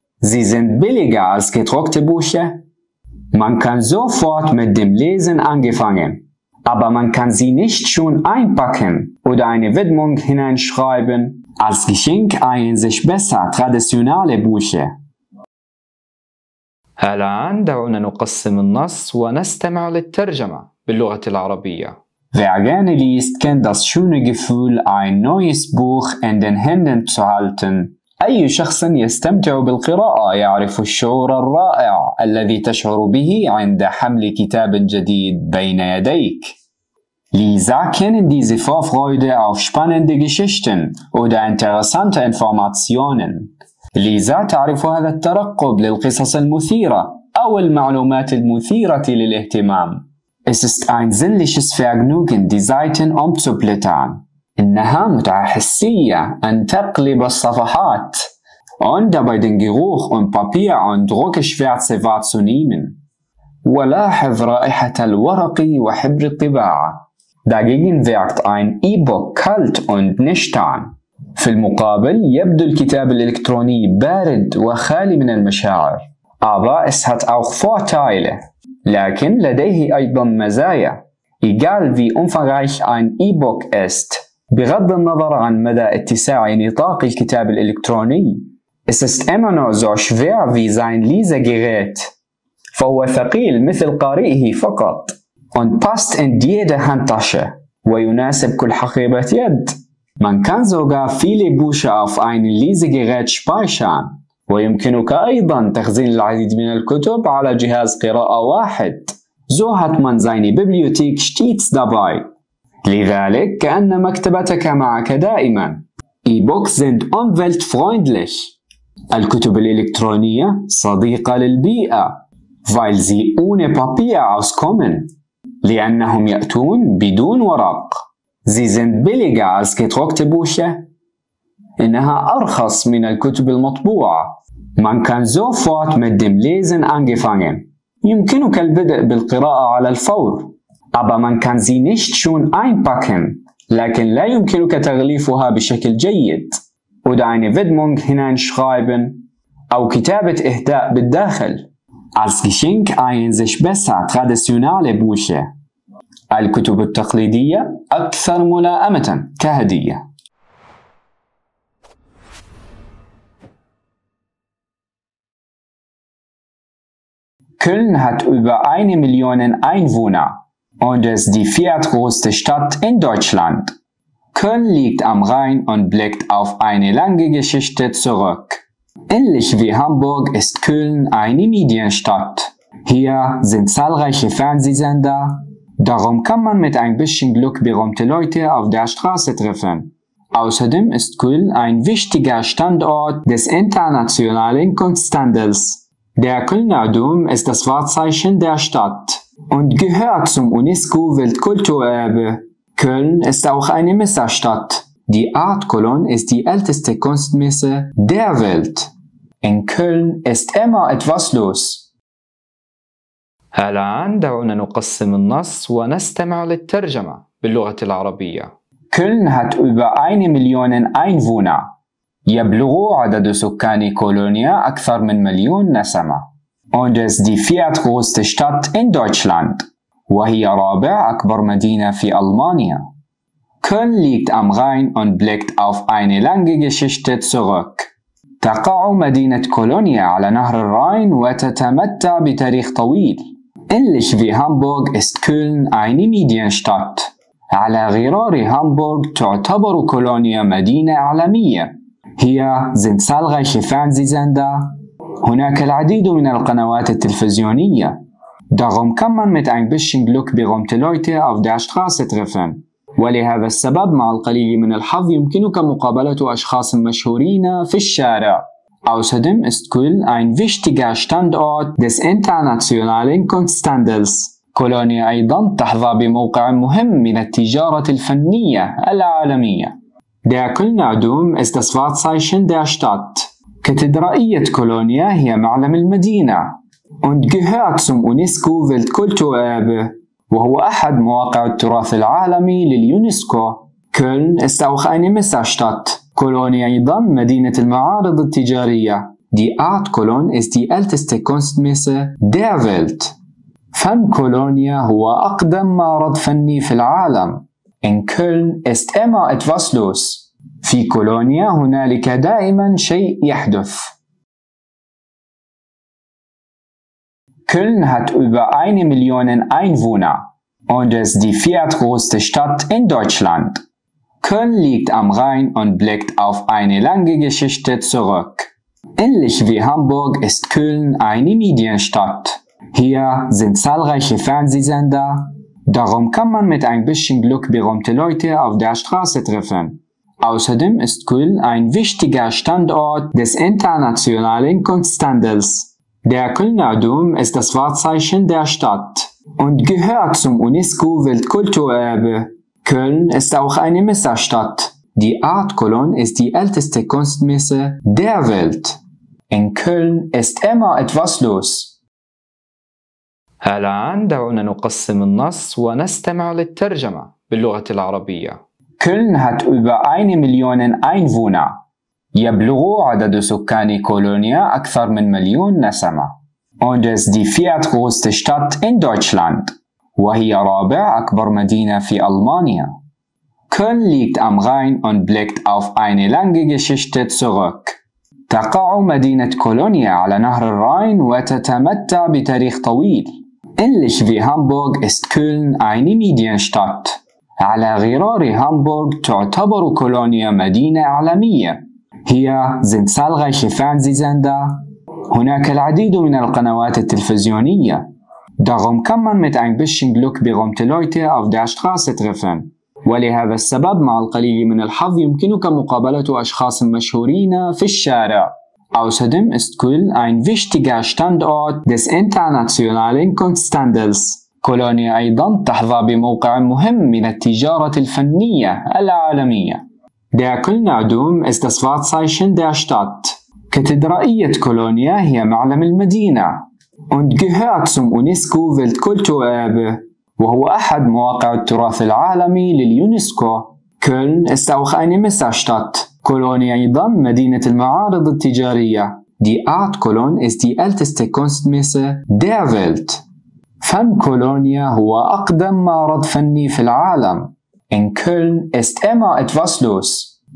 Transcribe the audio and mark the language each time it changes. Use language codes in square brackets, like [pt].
[de] Sie sind billiger als gedruckte Bücher. Man kann sofort mit dem Lesen anfangen. Aber man kann sie nicht schon einpacken oder eine Widmung hineinschreiben. Als Geschenk eignen sich besser traditionelle Bücher. [ar] الآن دعونا نقسم النص ونستمع للترجمة باللغة العربية. [de] Wer gerne liest, kennt das schöne Gefühl, ein neues Buch in den Händen zu halten. [ar] أي شخص يستمتع بالقراءة يعرف الشعور الرائع الذي تشعر به عند حمل كتاب جديد بين يديك. [de] Lisa, kennen diese Vorfreude auf spannende Geschichten oder interessante Informationen? [ar] Lisa, تعرف هذا الترقب للقصص المثيرة أو المعلومات المثيرة للاهتمام. [de] Es ist ein sinnliches Vergnügen, die Seiten umzublättern. [ar] إنها متعة حسية أن تقلب الصفحات [de] und dabei den Geruch und Papier und Druckschwärze wahrzunehmen. [ar] ولاحظ رائحة الورق وحبر الطباعة. [de] Dagegen wirkt ein E-Book kalt und nüchtern. [ar] في المقابل يبدو الكتاب الإلكتروني بارد وخالي من المشاعر. [de] Aber es hat auch Vorteile. [ar] لكن لديه أيضا مزايا. [de] Egal wie umfangreich ein E-Book ist, [ar] بغض النظر عن مدى اتساع نطاق الكتاب الإلكتروني. [de] Es ist immer noch so schwer wie sein Lesegerät. [ar] فهو ثقيل مثل قارئه فقط. [de] Und passt in jede Handtasche. [ar] ويناسب كل حقيبة يد. [de] Man kann sogar viele Bücher auf ein Lesegerät speichern. [ar] ويمكنك أيضا تخزين العديد من الكتب على جهاز قراءة واحد. [de] So hat man seine Bibliothek stets dabei. [ar] لذلك كأن مكتبتك معك دائما. [de] E-books sind umweltfreundlich. [ar] الكتب الإلكترونية صديقة للبيئة. [de] Weil sie ohne Papier auskommen. [ar] لأنهم يأتون بدون ورق. [de] Sie sind billiger als gedruckte Bücher. [ar] إنها أرخص من الكتب المطبوعة. [de] Man kann sofort mit dem Lesen angefangen. [ar] يمكنك البدء بالقراءة على الفور. [de] Aber man kann sie nicht schon einpacken. [ar] لكن لا يمكنك تغليفها بشكل جيد. [de] Oder eine Widmung hineinschreiben. [ar] أو كتابة إهداء بالداخل. [de] Als Geschenk eignen sich besser traditionale Bücher. [ar] الكتب التقليدية أكثر ملائمة كهدية. [de] Köln hat über 1 Million Einwohner und ist die viertgrößte Stadt in Deutschland. Köln liegt am Rhein und blickt auf eine lange Geschichte zurück. Ähnlich wie Hamburg ist Köln eine Medienstadt. Hier sind zahlreiche Fernsehsender. Darum kann man mit ein bisschen Glück berühmte Leute auf der Straße treffen. Außerdem ist Köln ein wichtiger Standort des internationalen Kunsthandels. Der Kölner Dom ist das Wahrzeichen der Stadt und gehört zum UNESCO-Weltkulturerbe. Köln ist auch eine Messerstadt. Die Art Cologne ist die älteste Kunstmesse der Welt. In Köln ist immer etwas los. [ar] الآن دعونا نقسم النص ونستمع للترجمة باللغة العربية. [de] Köln hat über 1 Million Einwohner. [ar] يبلغ عدد سكان كولونيا أكثر من مليون نسمة. [de] Und ist die viertgrößte Stadt in Deutschland. [ar] وهي رابع أكبر مدينة في ألمانيا. [de] Köln liegt am Rhein und blickt auf eine lange Geschichte zurück. [ar] تقع مدينة كولونيا على نهر الراين وتتمتع بتاريخ طويل. [de] Ähnlich wie Hamburg ist Köln eine Medienstadt. [ar] على غرار هامبورغ تعتبر كولونيا مدينة إعلامية. [de] Hier sind zahlreiche Fernsehsender. [ar] هناك العديد من القنوات التلفزيونية. [de] Darum kann man mit ein bisschen Glück berühmte Leute auf der Straße treffen. [ar] ولهذا السبب مع القليل من الحظ يمكنك مقابلة أشخاص مشهورين في الشارع. [de] Außerdem ist Köln ein wichtiger Standort des internationalen Kunsthandels. [ar] كولونيا أيضا تحظى بموقع مهم من التجارة الفنية العالمية. [de] Der Kölner Dom ist das Wahrzeichen der Stadt. [ar] كاتدرائية كولونيا هي معلم المدينة. [de] Und gehört zum UNESCO-Weltkulturerbe. [ar] وهو أحد مواقع التراث العالمي لليونسكو. [de] Köln ist auch eine Messerstadt. [ar] كولونيا أيضا مدينة المعارض التجارية. [de] Die Art Cologne ist die älteste Kunstmesse der Welt. [ar] فن كولونيا هو أقدم معرض فني في العالم. [de] In Köln ist immer etwas los. [ar] في كولونيا هنالك دائما شيء يحدث. [de] Köln hat über 1 Million Einwohner und ist die viertgrößte Stadt in Deutschland. Köln liegt am Rhein und blickt auf eine lange Geschichte zurück. Ähnlich wie Hamburg ist Köln eine Medienstadt. Hier sind zahlreiche Fernsehsender. Darum kann man mit ein bisschen Glück berühmte Leute auf der Straße treffen. Außerdem ist Köln ein wichtiger Standort des internationalen Kunsthandels. Der Kölner Dom ist das Wahrzeichen der Stadt und gehört zum UNESCO-Weltkulturerbe. Köln ist auch eine Messerstadt. Die Art Cologne ist die älteste Kunstmesse der Welt. In Köln ist immer etwas los. [ar] الآن دعونا نقسم النص ونستمع للترجمة باللغة العربية. [de] كولن hat über 1 Million Einwohner. [ar] يبلغ عدد سكان كولونيا أكثر من مليون نسمة. [de] Und ist die viertgrößte Stadt in Deutschland. [ar] وهي رابع أكبر مدينة في ألمانيا. [de] كولن liegt am Rhein und blickt auf eine lange Geschichte zurück. [ar] تقع مدينة كولونيا على نهر الراين وتتمتع بتاريخ طويل. [de] Ähnlich wie Hamburg ist Köln eine Medienstadt. [ar] على غرار Hamburg تعتبر كولونيا مدينة عالمية. [de] Hier sind zahlreiche Fernsehsender. [ar] هناك العديد من القنوات التلفزيونية. [de] Darum kann man mit ein bisschen Glück berühmte Leute auf der Straße treffen. [ar] ولهذا السبب مع القليل من الحظ يمكنك مقابلة أشخاص مشهورين في الشارع. [de] Außerdem ist Köln ein wichtiger Standort des internationalen Kunsthandels. [ar] كولونيا أيضا تحظى بموقع مهم من التجارة الفنية العالمية. [de] Der Kölner Dom ist das Wahrzeichen der Stadt. [ar] كاتدرائية كولونيا هي معلم المدينة. [de] Und gehört zum UNESCO-Weltkulturerbe. [ar] وهو أحد مواقع التراث العالمي لليونسكو. [de] Köln ist auch eine Messerstadt. [ar] كولونيا أيضا مدينة المعارض التجارية. [de] Die Art Cologne ist die älteste Kunstmesse der Welt. [ar] فن كولونيا هو أقدم معرض فني في العالم. [de] In Köln ist immer etwas los.